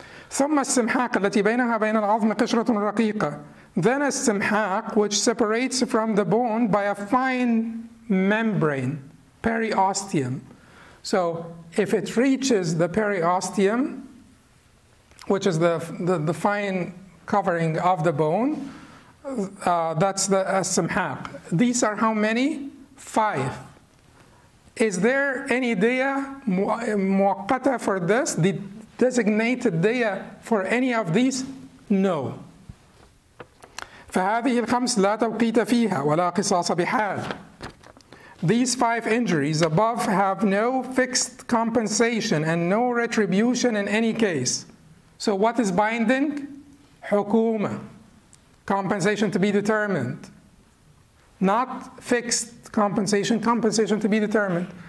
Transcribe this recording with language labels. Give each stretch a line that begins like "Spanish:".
Arabic: ثم السمحاق التي بينها وبين العظم قشرة رقيقة.
English: Then السمحاق which separates from the bone by a fine membrane, periosteum. So if it reaches the periosteum, which is the fine covering of the bone, that's the as-simhaq. These are how many? 5. Is there any diya muqatta for this? The designated diya for any of these? No.
Arabic: فهذه الخمس لا توقيت فيها ولا قصاص بحال.
English: These 5 injuries above have no fixed compensation and no retribution in any case. So what is binding? Hukuma. Compensation to be determined. Not fixed compensation, compensation to be determined.